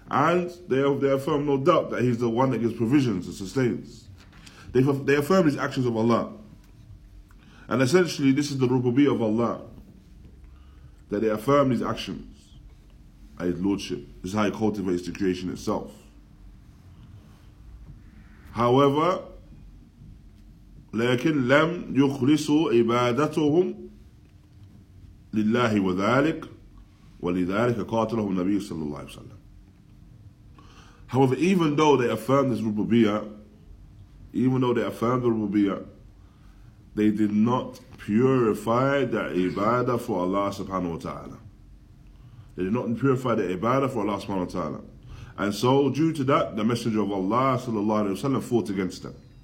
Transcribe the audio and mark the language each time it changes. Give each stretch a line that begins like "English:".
English: And they affirmed no doubt that he's the one that gives provisions and sustains. They affirmed his actions of Allah. And essentially this is the rububiyyah of Allah, that they affirm his actions and his lordship. This is how he cultivates the creation itself.
Arabic: However, لكن لم يخلصوا عبادتهم لله وذلك ولذلك قاتلهم النبي صلى الله عليه وسلم.
English: However, even though they affirmed this rububiyyah, even though they affirmed the rububiyyah, they did not purify their ibadah for Allah subhanahu wa ta'ala. They did not purify their ibadah for Allah subhanahu wa ta'ala. And so due to that, the Messenger of Allah sallallahu alayhi wa sallam fought against them.